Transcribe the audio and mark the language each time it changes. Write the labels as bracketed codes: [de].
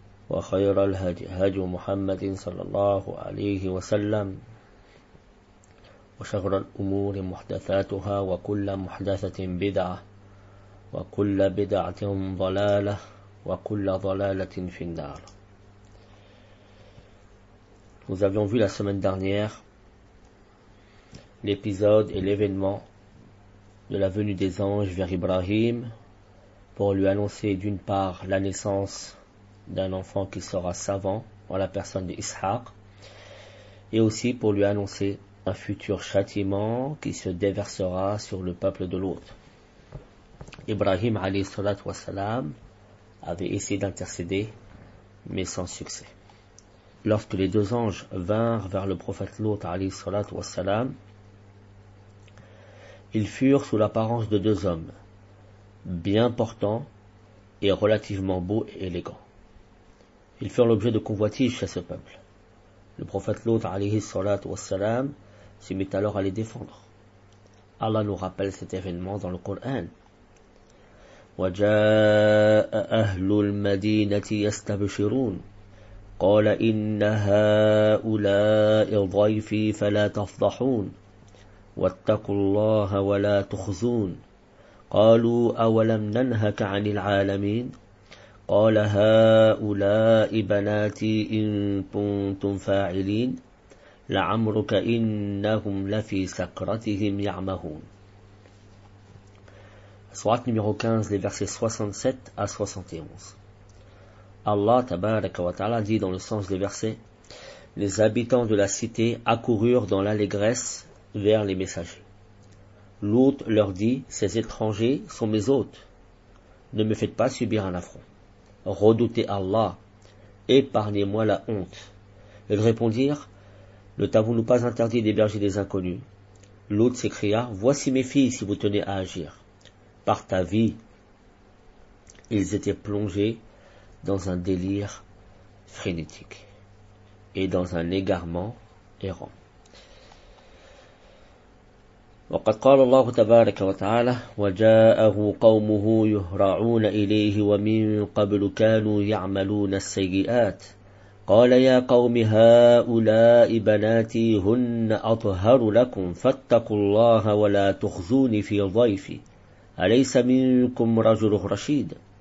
[ar] وخير الهدي هدي محمد صلى الله عليه وسلم وشر الأمور محدثاتها وكل محدثة بدعة وكل بدعة ضلالة وكل ضلالة في النار. [fr] Nous avions vu la semaine dernière l'épisode et l'événement de la venue des anges vers Ibrahim pour lui annoncer d'une part la naissance d'un enfant qui sera savant en la personne d'Ishaq et aussi pour lui annoncer un futur châtiment qui se déversera sur le peuple de Lot. Ibrahim [ar] alayhi salat wa salam [fr] avait essayé d'intercéder mais sans succès. Lorsque les deux anges vinrent vers le prophète Lot [ar] alayhi salat wa salam, [fr] ils furent sous l'apparence de deux hommes, bien portants et relativement beaux et élégants. Ils furent l'objet de convoitises chez ce peuple. Le prophète Lot, [ar] alayhi salat wa salam, [fr] se mit alors à les défendre. Allah nous rappelle cet événement dans le Coran. [ar] وَجَاءَ أَهْلُ الْمَدِينَةِ يَسْتَبْشِرُونَ قَالَ إِنَّ هَؤُلَاءِ ضَيْفِي فَلَا تَفْضَحُونَ واتقوا الله ولا تخزون قالوا أولم ننهك عن العالمين قال هؤلاء بناتي إن كنتم فاعلين لعمرك إنهم لفي سكرتهم يعمهون. [fr] Sourate numéro 15, les versets 67 à 71. Allah [ar] tabaraka wa ta'ala [fr] dit dans le sens des versets: les habitants de la cité accoururent dans l'allégresse vers les messagers. Lot leur dit: ces étrangers sont mes hôtes. Ne me faites pas subir un affront. Redoutez Allah. Épargnez-moi la honte. Ils répondirent: ne t'avons-nous pas interdit d'héberger des inconnus? Lot s'écria: voici mes filles si vous tenez à agir. Par ta vie. Ils étaient plongés dans un délire frénétique et dans un égarement errant. [ar] وقد قال الله تبارك وتعالى وجاءه قومه يهرعون إليه ومن قبل كانوا يعملون السيئات قال يا قوم هؤلاء بناتي هن أطهر لكم فاتقوا الله ولا تخزون في ضيفي أليس منكم رجل رشيد